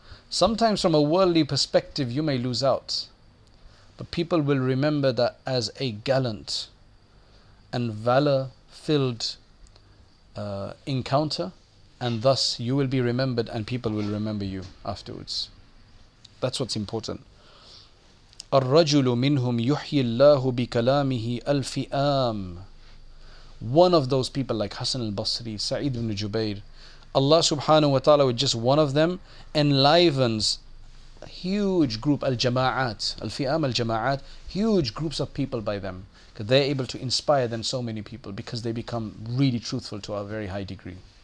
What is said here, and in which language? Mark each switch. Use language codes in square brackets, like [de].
[en] Sometimes from a worldly perspective you may lose out, but people will remember that as a gallant and valor-filled encounter, and thus you will be remembered and people will remember you afterwards. That's what's important. [ar] الرجل منهم يحيي الله بكلامه ألف آم. [en] One of those people like Hassan al-Basri, Sa'id ibn Jubayr, Allah subhanahu wa ta'ala with just one of them enlivens a huge group, al-jama'at, al-fi'am al-jama'at, huge groups of people by them. Because they're able to inspire then so many people because they become really truthful to a very high degree.